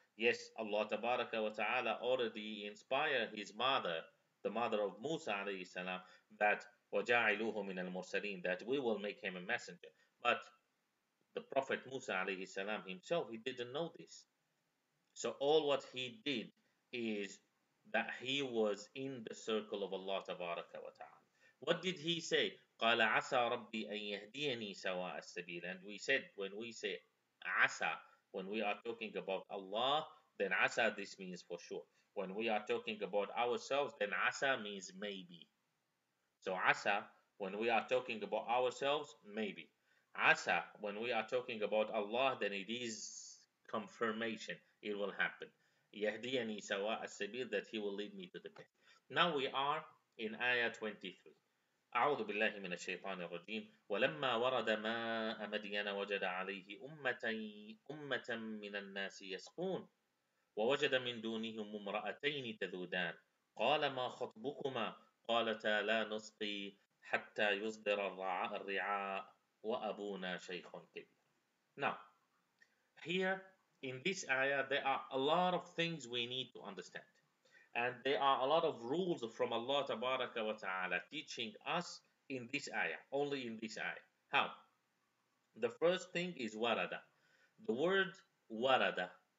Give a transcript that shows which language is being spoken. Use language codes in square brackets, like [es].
[en] Yes, Allah tabaraka wa ta'ala already inspired his mother, the mother of Musa alayhi salam, that [ar] وَجَعِلُوهُ مِنَ الْمُرْسَلِينَ, [en] that we will make him a messenger. But the Prophet Musa alayhi salam himself, he didn't know this. So all what he did is that he was in the circle of Allah tabaraka wa ta'ala. What did he say? [ar] قَالَ عَسَى رَبِّي أَن يَهْدِيَنِي سَوَاءَ السَّبِيلِ. [en] And we said, when we say عَسَى, when we are talking about Allah, then عَسَى, this means for sure. When we are talking about ourselves, then عَسَى means maybe. So عَسَى, when we are talking about ourselves, maybe. عَسَى, when we are talking about Allah, then it is confirmation. It will happen. [ar] يَهْدِيَنِي سَوَاءَ السَّبِيلِ, [en] that he will lead me to the path. Now we are in Ayah 23. [ar] أعوذ بالله من الشيطان الرجيم ولما ورد ماء مدين وجد عليه أمة من الناس يسقون ووجد من دونهم امرأتين تذودان قال ما خطبكما قالتا لا نسقي حتى يصدر الرعاء وأبونا شيخ كبير. [en] Now, here in this ayah, there are a lot of things we need to understand. And there are a lot of rules from Allah tabaraka wa ta'ala teaching us in this ayah, only in this ayah. How? The first thing is warada. The word warada.